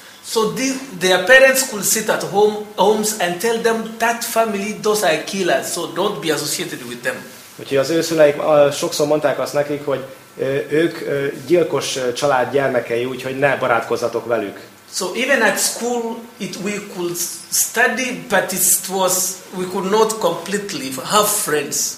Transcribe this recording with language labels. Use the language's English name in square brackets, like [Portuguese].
[English] So their parents could sit at homes and tell them that family, those are killers, so don't be associated with them. [Hungarian] Úgyhogy az ő szüleik sokszor mondták azt nekik, hogy ők gyilkos család gyermekei, úgyhogy ne barátkozzatok velük. [English] So even at school we could study, but we could not completely have friends.